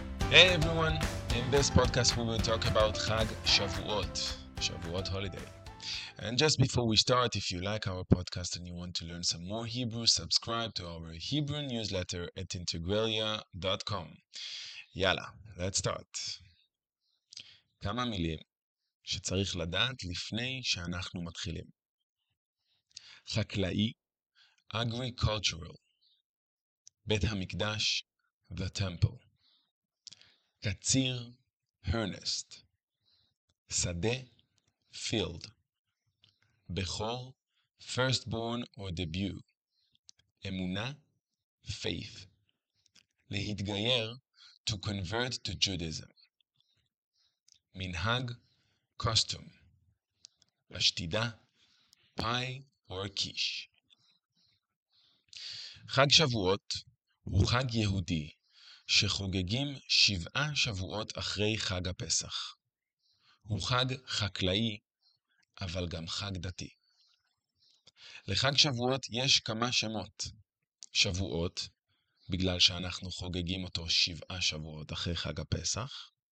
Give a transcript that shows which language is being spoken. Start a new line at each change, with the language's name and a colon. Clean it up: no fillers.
English: Hey everyone, in this podcast we will talk about Chag Shavuot, Shavuot holiday. And just before we start, if you like our podcast and you want to learn some more Hebrew, subscribe to our Hebrew newsletter at integralia.com. יאללה, let's start.
Hebrew: כמה מילים שצריך לדעת לפני שאנחנו מתחילים. חקלאי,
English: agricultural.
Hebrew: בית המקדש,
English: the temple.
Hebrew: קציר,
English: earnest.
Hebrew: שדה,
English: field.
Hebrew: בכור,
English: firstborn or debut.
Hebrew: אמונה,
English: faith.
Hebrew: להתגייר,
English: to convert to Judaism.
Hebrew: מנהג,
English: custom.
Hebrew: השתידה,
English: pie or quiche.
Hebrew: חג שבועות הוא חג יהודי שחוגגים שבעה שבועות אחרי חג הפסח. הוא חג חקלאי, אבל גם חג דתי. לחג שבועות יש כמה שמות. שבועות, בגלל שאנחנו חוגגים אותו שבעה שבועות אחרי חג הפסח.